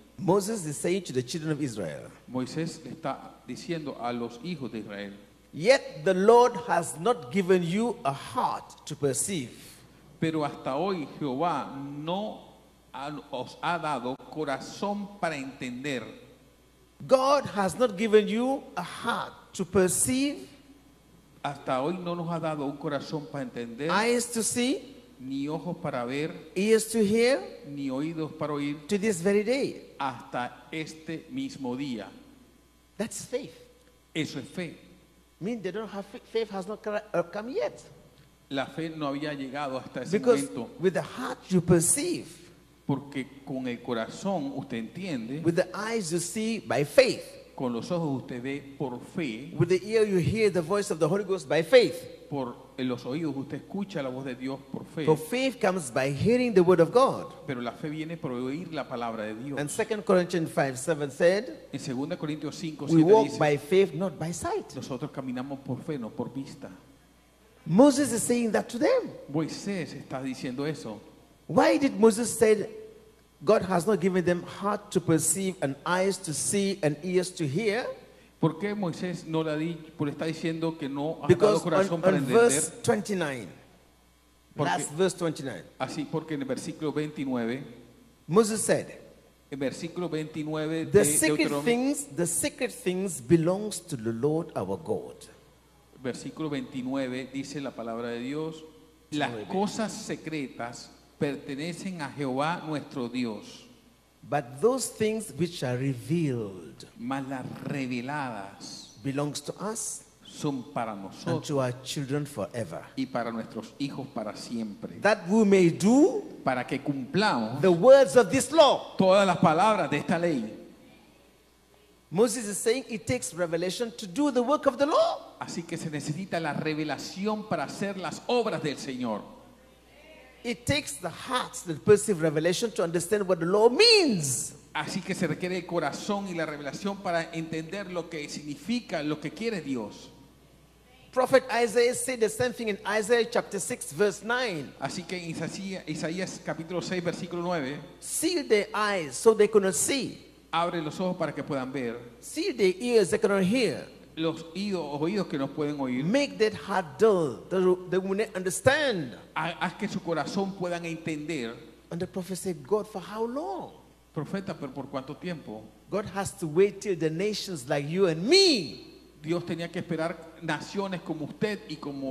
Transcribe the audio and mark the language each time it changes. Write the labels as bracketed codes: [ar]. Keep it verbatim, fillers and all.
[en] Moses is saying to the children of Israel, [es] Moisés le está diciendo a los hijos de Israel, [en] "Yet the Lord has not given you a heart to perceive, [es] pero hasta hoy Jehová no ha- os ha dado corazón para entender. [en] God has not given you a heart to perceive, [es] Hasta hoy no nos ha dado un corazón para entender, [en] eyes to see, [es] ni ojos para ver, [en] ears to hear, [es] ni oídos para oír, [en] to this very day." [es] hasta este mismo día. [en] That's faith. [es] Eso es fe. [en] Mean they don't have faith. Faith has not cra- uh, come yet. [es] La fe no había llegado hasta ese [en] Because [es] momento, [en] with the heart you perceive, [es] porque con el corazón usted entiende, [en] with the eyes you see by faith, [es] con los ojos usted ve por fe, [en] with the ear you hear the voice of the Holy Ghost by faith. [es] por en los oídos usted escucha la voz de Dios por fe, [en] For faith comes by hearing the word of God. [es] pero la fe viene por oír la palabra de Dios. [en] And Second Corinthians five seven said, [es] En dos Corintios cinco, [en] "We [es] siete [en] walk [es] dice, [en] by faith, not by sight." [es] nosotros caminamos por fe, no por vista. [en] Moses is saying that to them. [es] Moisés está diciendo eso. [en] Why did Moses say God has not given them heart to perceive and eyes to see and ears to hear? [es] ¿Por qué Moisés no la di, por está diciendo que no ha dado [en] Because [es] corazón [en] on, [es] para [en] on [es] entender? [en] verse twenty-nine, [es] Porque- [en] last verse twenty-nine, [es] Así porque en el versículo veintinueve, [en] Moses said, [es] el versículo veintinueve de [en] The secret [es] Deuteronomio, [en] things, the secret things belongs to the Lord our God. [es] versículo veintinueve dice la palabra de Dios, las Nueve. cosas secretas pertenecen a Jehová nuestro Dios, [en] But those things which are revealed [es] mas las reveladas [en] belongs to us [es] son para [en] and [es] nosotros [en] to our children forever. [es] y para nuestros hijos para siempre, [en] That we may do [es] para que cumplamos [en] the words of this law. [es] todas las palabras de esta ley. [en] Moses is saying it takes revelation to do the work of the law. [es] Así que se necesita la revelación para hacer las obras del Señor. [en] It takes the hearts that perceive revelation to understand what the law means. [es] Así que se requiere el corazón y la revelación para entender lo que significa, lo que quiere Dios. [en] Prophet Isaiah said the same thing in Isaiah chapter six verse nine. [es] Así que en Isaías, Isaías capítulo seis, versículo nueve, [en] Seal their eyes so they cannot see. [es] abre los ojos para que puedan ver, [en] Seal their ears they cannot hear. [es] los oídos, oídos que no pueden oír, [en] Make that heart dull, that they will not understand. [es] Ha- haz que su corazón puedan entender. [en] And the prophet said, God, for how long? [es] Profeta, pero ¿por cuánto tiempo? [en] God has to wait till the nations like you and me [es] Dios tenía que esperar naciones como usted y como